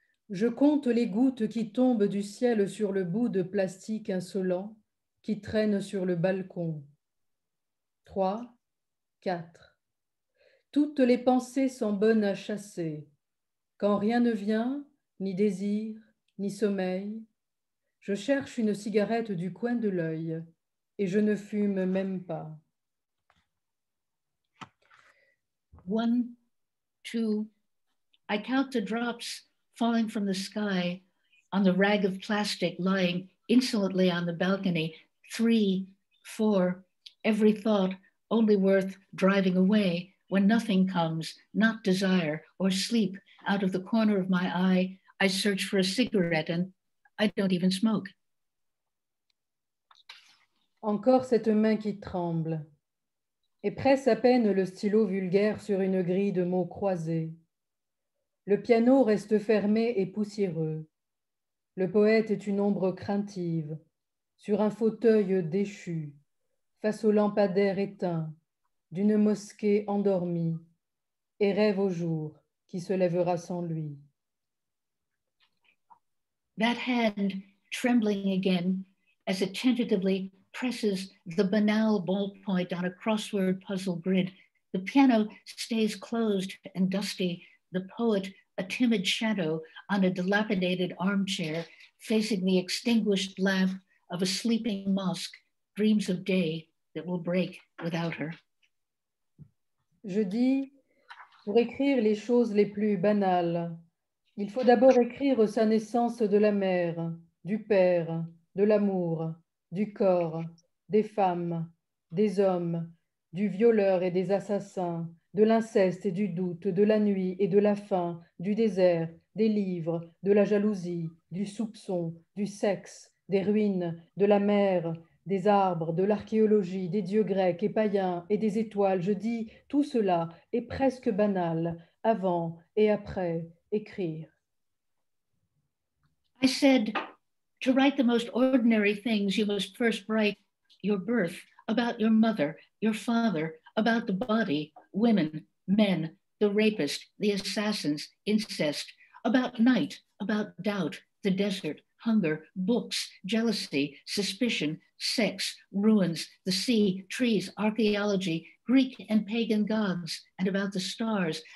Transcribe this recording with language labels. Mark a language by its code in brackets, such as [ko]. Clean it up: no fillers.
[fr] Je compte les gouttes qui tombent du ciel sur le bout de plastique insolent qui traîne sur le balcon. Trois. 4. Toutes les pensées sont bonnes à chasser. Quand rien ne vient, ni désir, ni sommeil, Je cherche une cigarette du coin de l'œil et je ne fume même pas. [en] 1, 2, I count the drops falling from the sky on the rag of plastic lying insolently on the balcony. 3, 4, every thought only worth driving away when nothing comes, not desire or sleep. Out of the corner of my eye, I search for a cigarette and I don't even smoke. [fr] Encore cette main qui tremble et presse à peine le stylo vulgaire sur une grille de mots croisés. Le piano reste fermé et poussiéreux. Le poète est une ombre craintive sur un fauteuil déchu face aux lampadaires éteints d'une mosquée endormie et rêve au jour qui se lèvera sans lui. [en] That hand trembling again as it tentatively presses the banal ballpoint on a crossword puzzle grid. The piano stays closed and dusty. The poet, a timid shadow on a dilapidated armchair, facing the extinguished lamp of a sleeping mosque, dreams of day that will break without her. [fr] Je dis, pour écrire les choses les plus banales, il faut d'abord écrire sa naissance de la mère, du père, de l'amour, du corps, des femmes, des hommes, du violeur et des assassins, de l'inceste et du doute, de la nuit et de la faim, du désert, des livres, de la jalousie, du soupçon, du sexe, des ruines, de la mer, des arbres, de l'archéologie, des dieux grecs et païens et des étoiles. Je dis, tout cela est presque banal, avant et après. [en] I said, to write the most ordinary things, you must first write your birth, about your mother, your father, about the body, women, men, the rapist, the assassins, incest, about night, about doubt, the desert, hunger, books, jealousy, suspicion, sex, ruins, the sea, trees, archaeology, Greek and pagan gods, and about the stars.